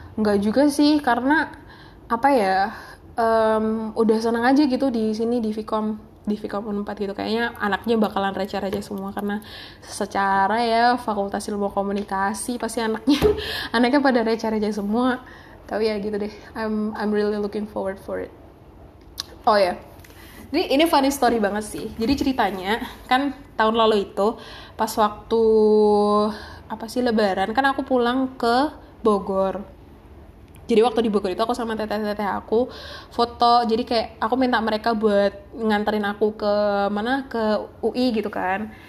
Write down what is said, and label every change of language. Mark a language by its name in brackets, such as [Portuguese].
[Indonesian] Enggak juga sih, karena apa ya, udah seneng aja gitu di sini, di Vkom 4 gitu. Kayaknya anaknya bakalan receh-receh semua, karena secara ya Fakultas Ilmu Komunikasi pasti anaknya anaknya pada receh-receh semua. Tapi ya gitu deh, [English] I'm really looking forward for it. [Indonesian] Oh ya, yeah. Jadi ini [English] funny story [Indonesian] banget sih. Jadi ceritanya kan tahun lalu itu pas waktu apa sih Lebaran, kan aku pulang ke Bogor. Jadi waktu di Bogor itu aku sama teteh-teteh aku foto. Jadi kayak aku minta mereka buat nganterin aku ke mana, ke UI gitu kan.